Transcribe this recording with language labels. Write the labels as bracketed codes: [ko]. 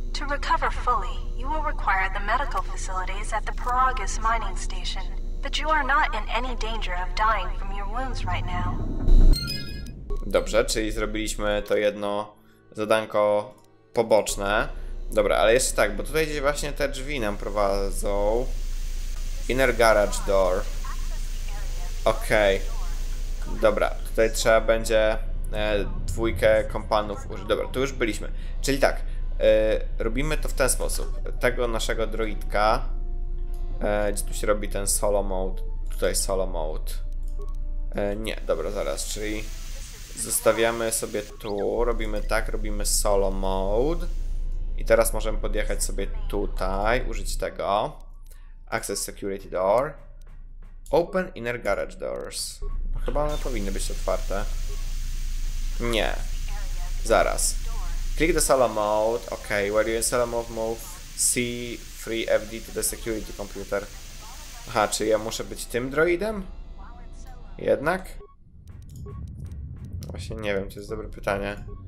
[en] To recover fully, you will require the medical facilities at the Paragus mining station. But you are not in any danger of dying from your wounds right now. [pl] Dobrze, czyli zrobiliśmy to jedno zadanko poboczne. Dobra, ale jeszcze tak, bo tutaj gdzieś właśnie te drzwi nam prowadzą. [en] Inner garage door. Okej. [pl] Dobra, tutaj trzeba będzie dwójkę kompanów użyć. Dobra, tu już byliśmy. Czyli tak, robimy to w ten sposób. Tego naszego droidka, gdzie tu się robi ten solo mode. Tutaj solo mode. Nie, dobra, zaraz, czyli zostawiamy sobie tu, robimy tak, robimy solo mode. I teraz możemy podjechać sobie tutaj, użyć tego. [en] Access security door. Open inner garage doors. [pl] Chyba one powinny być otwarte. Nie. Zaraz. [en] Click the solo mode. Ok, where you in solo mode, move C3FD to the security computer. [pl] Aha, czy ja muszę być tym droidem? Jednak? Właśnie nie wiem, to jest dobre pytanie.